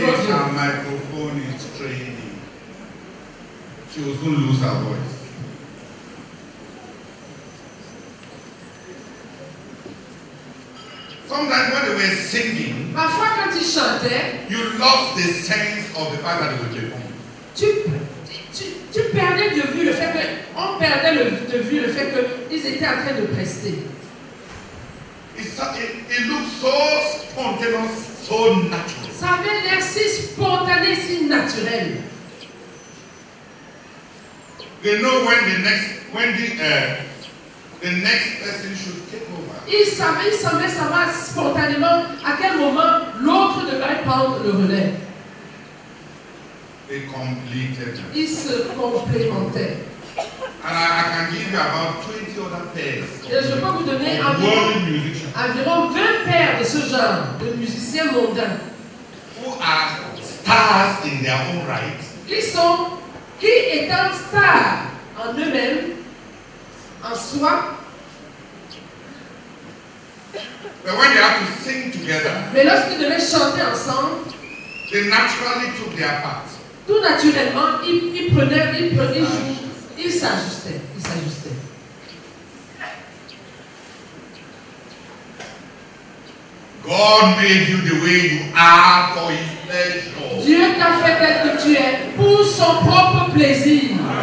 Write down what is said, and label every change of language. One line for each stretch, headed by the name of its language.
English: Rogers. Yes, her microphone is training. She was going to lose her voice. Sometimes when they were singing,
French: parfois quand ils chantaient,
English: you lost the sense of the fact that they were performing.
French: Tu perdais de vue le fait que on perdait de vue le fait que ils étaient en train de prester.
English: It looked so spontaneous, so natural.
French: Ça avait l'air si spontané, si naturel.
English: They know when the next person should take over.
French: Il savait savoir spontanément à quel moment l'autre devait prendre le relais.
English: They completed.
French: Ils se complémentaient.
English: And I can give you about 20 other pairs.
French: Et je peux vous donner environ 20 paires de ce genre de musiciens mondains.
English: Who are stars in their own right.
French: Qui étant stars en eux-mêmes, en soi.
English: But when they have to sing together,
French: mais lorsqu'ils devaient chanter ensemble,
English: they naturally took their part.
French: Tout naturellement, ils s'ajustaient.
English: God made you the way you are for His pleasure.
French: Dieu t'a fait tel que tu es pour son propre plaisir.